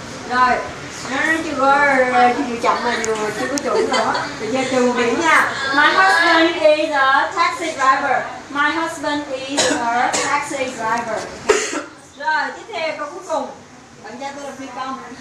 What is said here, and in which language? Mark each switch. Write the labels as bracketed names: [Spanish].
[Vietnamese] Rồi, nó chưa chậm mà chưa có chuẩn nữa. Bây giờ trừ biển nha. [English] My husband is a taxi driver. My husband is a taxi driver. [Vietnamese] Rồi, tiếp theo câu cuối cùng. Bạn trai tôi là phi công.